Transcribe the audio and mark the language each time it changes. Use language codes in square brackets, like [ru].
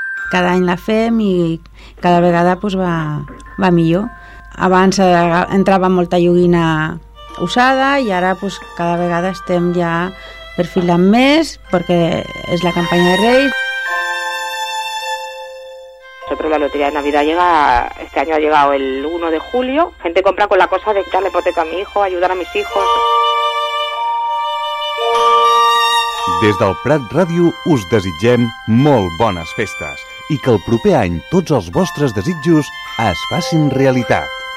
[ca] cada any la fem i cada vegada pues, va millor. Abans entrava molta joguina usada i ara pues, cada vegada estem ja perfilant més perquè és la campanya de Reis. [es] Nosotros la lotería de Navidad llega, este año ha llegado el 1 de julio. Gente compra con la cosa de quitarle hipoteca a mi hijo, ayudar a mis hijos. [ca] Des del Prat Ràdio us desitgem molt bones festes i que el proper any tots els vostres desitjos es facin realitat.